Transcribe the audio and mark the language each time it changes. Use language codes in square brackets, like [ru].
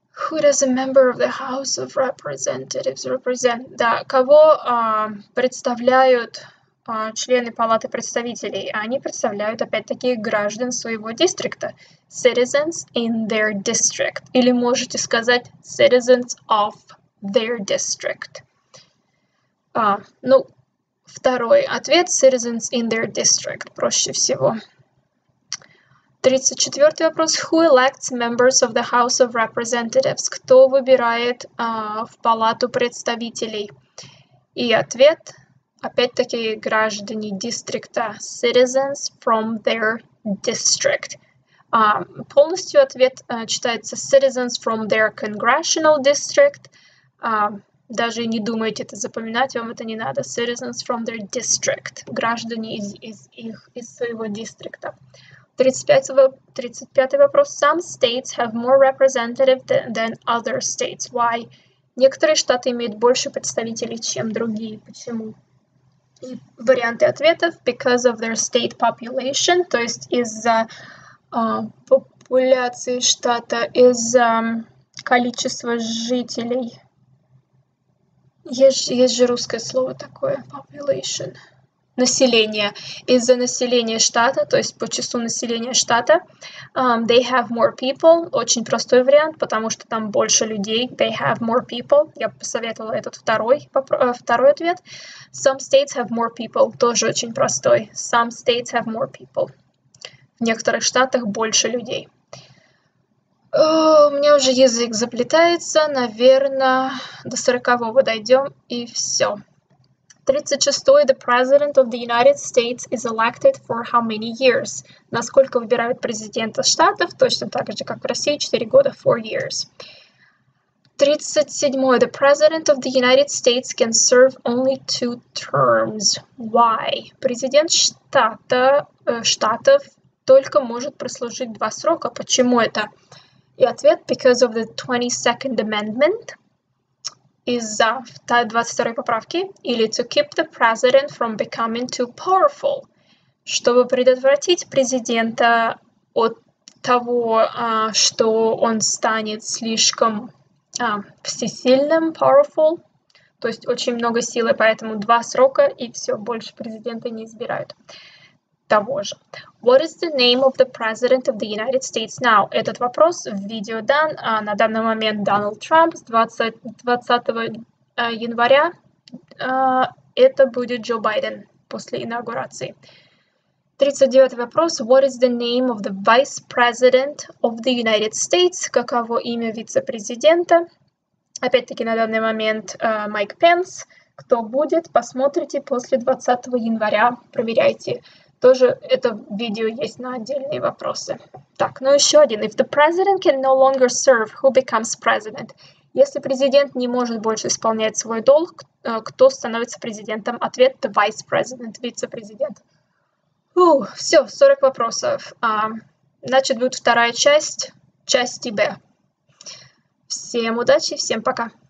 [en] Who does a member of the House of Representatives represent? [ru] Да, кого представляют члены Палаты представителей? Они представляют, опять-таки, граждан своего дистрикта. [en] Citizens in their district. [ru] Или можете сказать [en] citizens of their district. [ru] Ну, второй ответ. [en] Citizens in their district. [ru] Проще всего. 34-й вопрос. [en] Who elects members of the House of Representatives? [ru] Кто выбирает в Палату представителей? И ответ, опять-таки, граждане дистрикта. [en] Citizens from their district. [ru] Полностью ответ читается [en] citizens from their congressional district. [ru] Даже не думайте это запоминать, вам это не надо. [en] Citizens from their district. [ru] Граждане из своего дистрикта. 35-й вопрос. [en] Some states have more representatives than other states. Why? [ru] Некоторые штаты имеют больше представителей, чем другие. Почему? И варианты ответов. [en] Because of their state population. [ru] То есть из-за популяции штата, из-за количества жителей. Есть же русское слово такое. Population. Население. Из-за населения штата, то есть по числу населения штата, [en] they have more people. [ru] Очень простой вариант, потому что там больше людей. [en] They have more people. [ru] Я посоветовала этот второй ответ. [en] Some states have more people. [ru] Тоже очень простой. [en] Some states have more people. [ru] В некоторых штатах больше людей. У меня уже язык заплетается. Наверное, до 40-го дойдем и все. 36-й. [en] The President of the United States is elected for how many years? [ru] Насколько выбирают президента штатов? Точно так же, как в России, 4 года, [en] 4 years. [ru] 37-й. [en] The President of the United States can serve only 2 terms. Why? [ru] Президент штатов только может прослужить 2 срока. Почему это? И ответ – [en] because of the 22nd Amendment. [ru] Из-за 22-й поправки, или [en] to keep the president from becoming too powerful, [ru] чтобы предотвратить президента от того, что он станет слишком всесильным, powerful, то есть очень много силы, поэтому 2 срока, и все, больше президента не избирают. Того же. [en] What is the name of the president of the United States now? [ru] Этот вопрос в видео дан. На данный момент Дональд Трамп. С 20 января это будет Джо Байден после инаугурации. 39-й вопрос. [en] What is the name of the vice president of the United States? [ru] Каково имя вице-президента? Опять-таки на данный момент Майк Пенс. кто будет, посмотрите после 20 января, проверяйте. Тоже это видео есть на отдельные вопросы. Так, ну еще один. [en] If the president can no longer serve, who becomes president? [ru] Если президент не может больше исполнять свой долг, кто становится президентом? Ответ – [en] the vice president, [ru] вице-президент. Все, 40 вопросов. Значит, будет вторая часть, части Б. Всем удачи, всем пока.